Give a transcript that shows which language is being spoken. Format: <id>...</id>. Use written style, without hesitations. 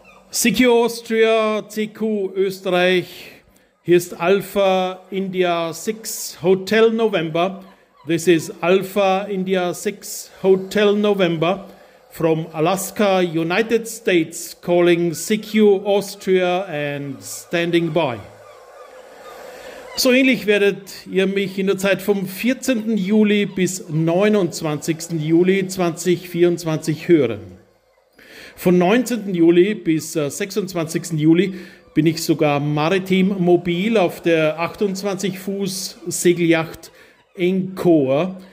<de>Sikyo Austria, CQ Österreich, hier ist Alpha India 6 Hotel November.</de> <en>This is Alpha India 6 Hotel November from Alaska, United States, calling CQ Austria and standing by.</en> <de>So ähnlich werdet ihr mich in der Zeit vom 14. Juli bis 29. Juli 2024 hören. Von 19. Juli bis 26. Juli bin ich sogar maritim mobil auf der 28-Fuß-Segeljacht Encore.</de>